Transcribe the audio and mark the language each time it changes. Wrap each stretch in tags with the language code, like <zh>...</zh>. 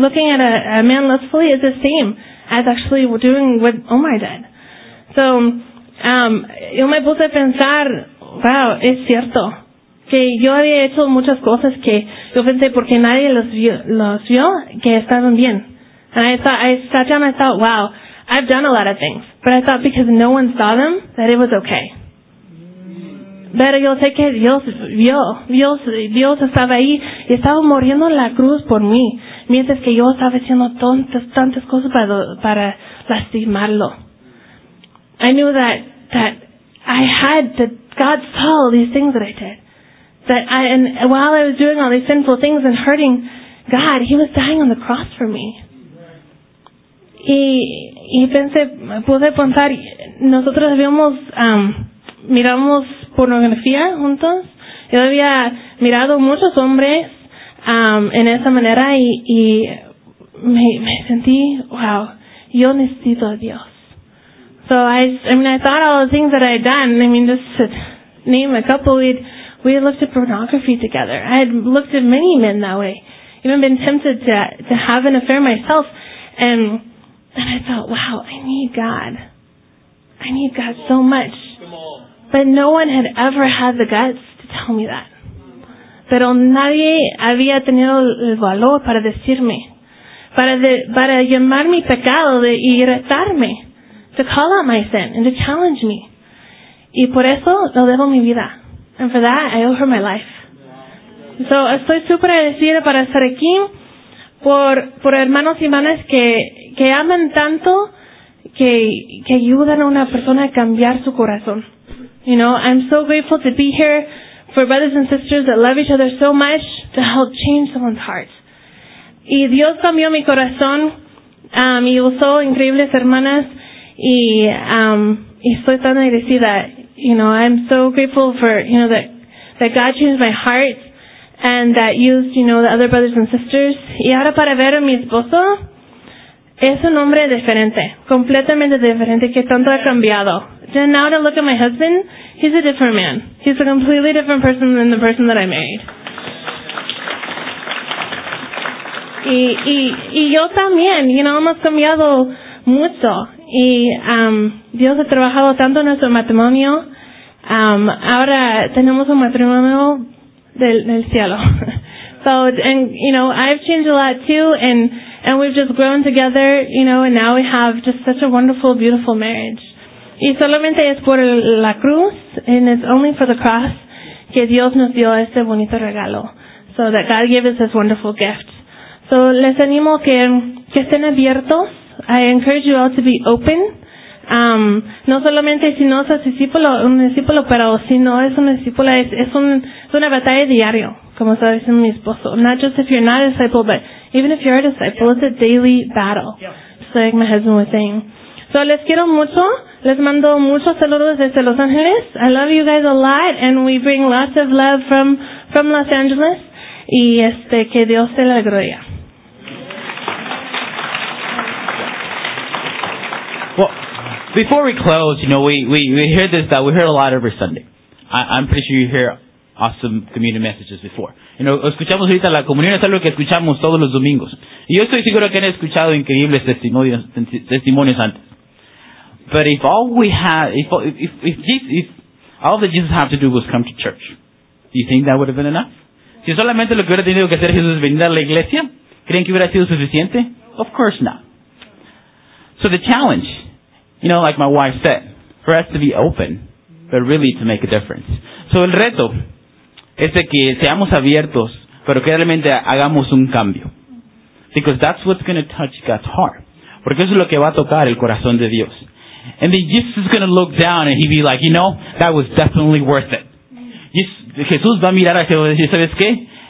<en>Looking at a man lustfully is the same as actually doing what Omar did. So</en> <es>Yo me puse a pensar, wow, es cierto que yo había hecho muchas cosas que yo pensé porque nadie los vio que estaban bien.</es> <en>And I sat down and thought, wow, I've done a lot of things, but I thought because no one saw them that it was okay.</en> <es>Pero yo sé que Dios estaba ahí y estaba muriendo en la cruz por mí, mientras que yo estaba haciendo tantas cosas para lastimarlo.</es> <en>I knew that I had that God saw all these things that I did. And while I was doing all these sinful things and hurting God, He was dying on the cross for me.</en> <es>Y pensé, pude pensar, nosotros habíamos miramos pornografía juntos. Yo había mirado muchos hombres en esa manera y me sentí, wow, yo necesito a Dios.</es> <en>So I thought all the things that I had done. I mean, just to name a couple, we had looked at pornography together. I had looked at many men that way. Even been tempted to have an affair myself. And I thought, wow, I need God. I need God so much. But no one had ever had the guts to tell me that.</en> <es>Pero nadie había tenido el valor para decirme, para llamar mi pecado y retarme,</es> <en>to call out my sin and to challenge me.</en> <es>Y por eso lo debo mi vida.</es> <en>And for that, I owe her my life.</en> <es>So estoy super agradecida para estar aquí por hermanos y hermanas que aman tanto que ayudan a una persona a cambiar su corazón.</es> <en>You know, I'm so grateful to be here for brothers and sisters that love each other so much to help change someone's heart.</en> <es>Y Dios cambió mi corazón y usó increíbles hermanas y estoy tan agradecida.</es> <en>You know, I'm so grateful for, you know, that God changed my heart and that used, you know, the other brothers and sisters.</en> <es>Y ahora para ver a mi esposo, es un hombre diferente, completamente diferente, que tanto ha cambiado.</es> <en>Then now to look at my husband, he's a different man. He's a completely different person than the person that I married.</en> <es>Y yo también, you know, hemos cambiado mucho. Y Dios ha trabajado tanto en nuestro matrimonio. Ahora tenemos un matrimonio del cielo.</es> <en>So, and you know, I've changed a lot too, and we've just grown together, you know, and now we have just such a wonderful, beautiful marriage.</en> <es>Y solamente es por la cruz,</es> <en>and it's only for the cross</en> <es>que Dios nos dio este bonito regalo.</es> <en>So that God gave us this wonderful gift.</en> <es>So les animo que estén abiertos.</es> <en>I encourage you all to be open.</en> <es>No solamente si no sos un discípulo, pero si no es un discípulo, es una batalla diario, como estaba diciendo mi esposo.</es> <en>Not just if you're not a disciple, but even if you're a disciple, yeah. It's a daily battle. Yeah. Just like my husband was saying.</en> <es>So les quiero mucho. Les mando muchos saludos desde Los Ángeles.</es> <en>I love you guys a lot, and we bring lots of love from Los Angeles.</en> <es>Y que Dios te la gloria.</es> <en>Well, before we close, you know, we hear this, that we hear a lot every Sunday. I'm pretty sure you hear awesome communion messages before.</en> <es>You know, escuchamos ahorita la comunión, es algo que escuchamos todos los domingos. Y yo estoy seguro que han escuchado increíbles testimonios antes.</es> <en>But if all we have, if all that Jesus had to do was come to church, do you think that would have been enough?</en> <es>Si solamente lo que hubiera tenido que hacer Jesús es venir a la iglesia, ¿creen que hubiera sido suficiente?</es> <en>Of course not. So the challenge, you know, like my wife said, for us to be open, but really to make a difference.</en> <es>So el reto es de que seamos abiertos, pero que realmente hagamos un cambio.</es> <en>Because that's what's going to touch God's heart.</en> <es>Porque eso es lo que va a tocar el corazón de Dios.</es> <en>And then Jesus is going to look down and he'll be like, you know, that was definitely worth it.</en> <es>Jesús va a mirar a Jesús y decir, ¿sabes qué?</es>